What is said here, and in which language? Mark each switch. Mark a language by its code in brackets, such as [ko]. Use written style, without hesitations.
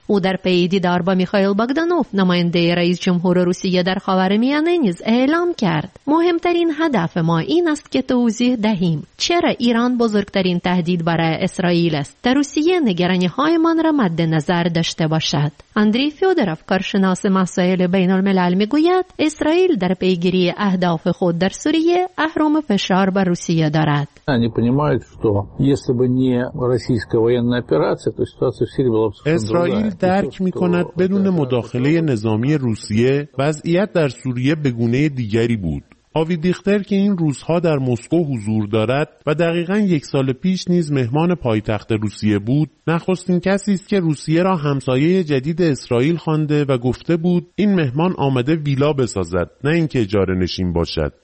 [fa] او در پی دیدار با میخائیل باگدانوف نماینده رئیس جمهور روسیه در خاورمیانه نیز اعلام کرد مهمترین هدف ما این است که توضیح دهیم چرا ایران بزرگترین تهدید برای اسرائیل است تا روسیه نگرانی های من را مد نظر داشته باشد. اندری فیودروف کارشناس مسائل بین الملل میگوید اسرائیل در پیگیری اهداف خود در سوریه اهرم فشار بر روسیه دارد. یعنی [ru] понимают что если бы не российская военная операция то ситуация в Сирии была бы совсем другая. [fa] درک می‌کند بدون مداخله نظامی روسیه وضعیت در سوریه به گونه دیگری بود. آوی دیختر که این روزها در مسکو حضور دارد و دقیقاً 1 سال پیش نیز مهمان پایتخت روسیه بود، نخستین کسی است که روسیه را همسایه جدید اسرائیل خوانده و گفته بود این مهمان آمده ویلا بسازد نه اینکه اجاره نشین باشد.